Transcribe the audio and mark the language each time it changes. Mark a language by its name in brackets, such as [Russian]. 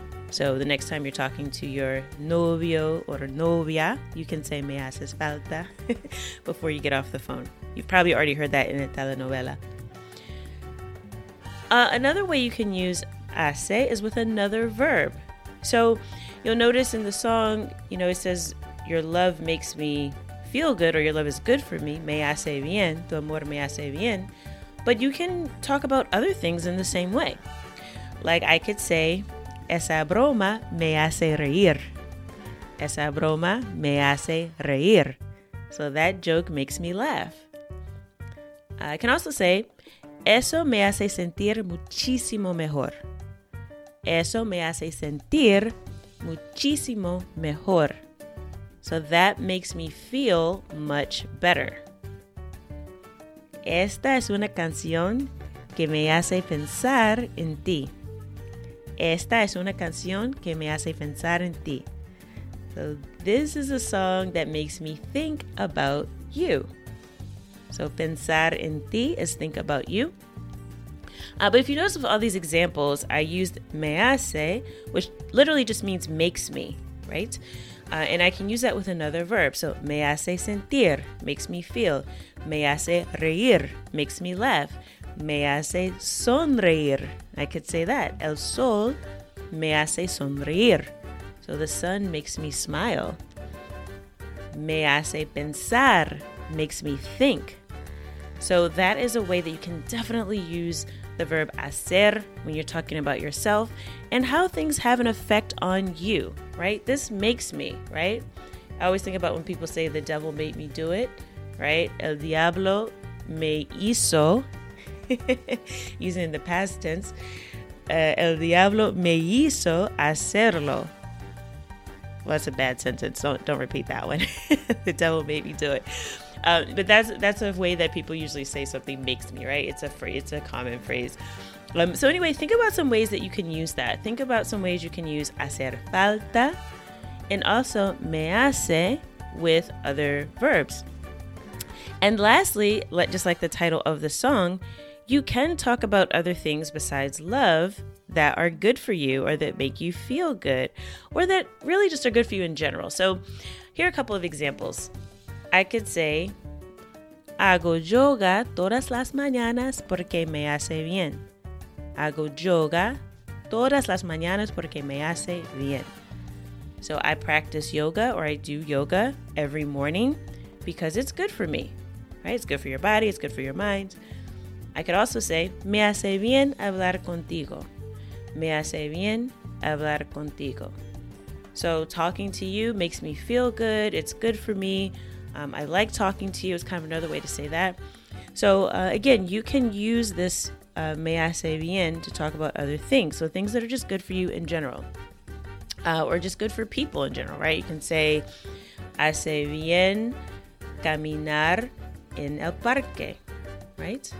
[English] So the next time you're talking to your novio or novia, you can say [Spanish] me haces falta [English] before you get off the phone. You've probably already heard that in a telenovela. Another way you can use hace is with another verb. So you'll notice in the song, you know, it says, your love makes me feel good, or your love is good for me. [Spanish] Me hace bien, tu amor me hace bien. [English] But you can talk about other things in the same way. Like I could say, [Spanish] esa broma me hace reír. Esa broma me hace reír. [English] So that joke makes me laugh. I can also say, [Spanish] eso me hace sentir muchísimo mejor. Eso me hace sentir muchísimo mejor. [English] So that makes me feel much better. [Spanish] Esta es una canción que me hace pensar en ti. Esta es una canción que me hace pensar en ti. [English] So this is a song that makes me think about you. So [Spanish] pensar en ti [English] is think about you. But if you notice with all these examples, I used me hace, which literally just means makes me, right? And I can use that with another verb. So [Spanish] me hace sentir, [English] makes me feel. [Spanish] Me hace reír, [English] makes me laugh. [Spanish] Me hace sonreír, [English] I could say that. [Spanish] El sol me hace sonreír. [English] So the sun makes me smile. [Spanish] Me hace pensar, [English] makes me think. So that is a way that you can definitely use the verb hacer when you're talking about yourself and how things have an effect on you, right? This makes me, right? I always think about when people say the devil made me do it, right? [Spanish] El diablo me hizo, [English] using the past tense. [Spanish] El diablo me hizo hacerlo. [English] Well, that's a bad sentence. Don't repeat that one. The devil made me do it. But that's a way that people usually say something makes me, right? It's a common phrase. So anyway, think about some ways that you can use that. Think about some ways you can use hacer falta and also me hace with other verbs. And lastly, just like the title of the song, you can talk about other things besides love that are good for you or that make you feel good or that really just are good for you in general. So here are a couple of examples. I could say, [Spanish] hago yoga todas las mañanas porque me hace bien. Hago yoga todas las mañanas porque me hace bien. [English] So I practice yoga, or I do yoga every morning because it's good for me, right? It's good for your body. It's good for your mind. I could also say, [Spanish] me hace bien hablar contigo. Me hace bien hablar contigo. [English] So talking to you makes me feel good. It's good for me. I like talking to you. It's kind of another way to say that. So again, you can use this me hace bien to talk about other things. So things that are just good for you in general. or just good for people in general, right? You can say, [Spanish] hace bien caminar en el parque, [English] right?